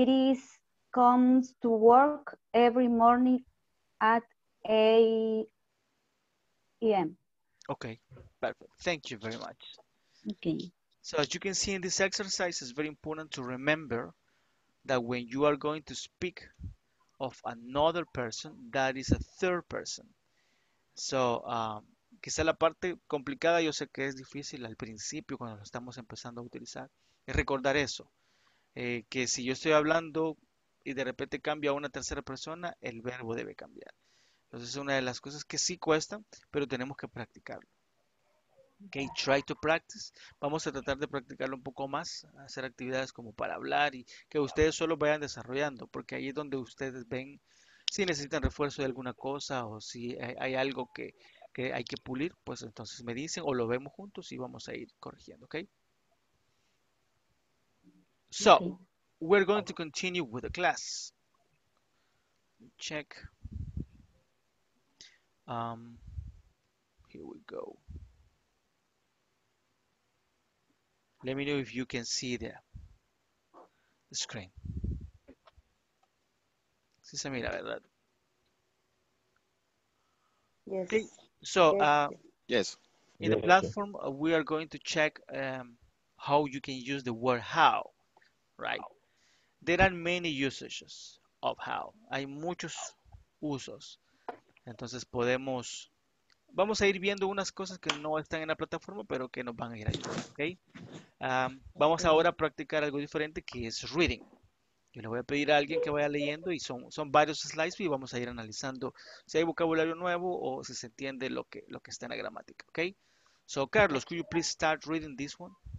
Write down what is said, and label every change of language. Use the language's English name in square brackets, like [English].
[English] Iris comes to work every morning at 8 a.m. Okay. Perfect. Thank you very much. Okay. So as you can see in this exercise, it's very important to remember that when you are going to speak of another person, that is a third person. [Spanish] So, quizá la parte complicada, yo sé que es difícil al principio cuando lo estamos empezando a utilizar, es recordar eso. Que si yo estoy hablando y de repente cambio a una tercera persona, el verbo debe cambiar. Entonces es una de las cosas que sí cuestan, pero tenemos que practicarlo. [English] Okay, try to practice. [Spanish] Vamos a tratar de practicarlo un poco más, hacer actividades como para hablar y que ustedes solo vayan desarrollando, porque ahí es donde ustedes ven si necesitan refuerzo de alguna cosa o si hay algo que hay que pulir, pues entonces me dicen o lo vemos juntos y vamos a ir corrigiendo, okay? [English] So, we're going to continue with the class. Check. Here we go. Let me know if you can see the screen. [Spanish] Sí se mira, ¿verdad? [English] Yes. Okay. So, yes. In the platform, we are going to check how you can use the word how, right? There are many usages of how. [Spanish] Hay muchos usos. Entonces podemos, vamos a ir viendo unas cosas que no están en la plataforma, pero que nos van a ir ayudando, ¿ok? Vamos ahora a practicar algo diferente que es reading. Yo le voy a pedir a alguien que vaya leyendo y son varios slides y vamos a ir analizando si hay vocabulario nuevo o si se entiende lo que está en la gramática, ¿ok? [English] So, Carlos, could you please start reading this one?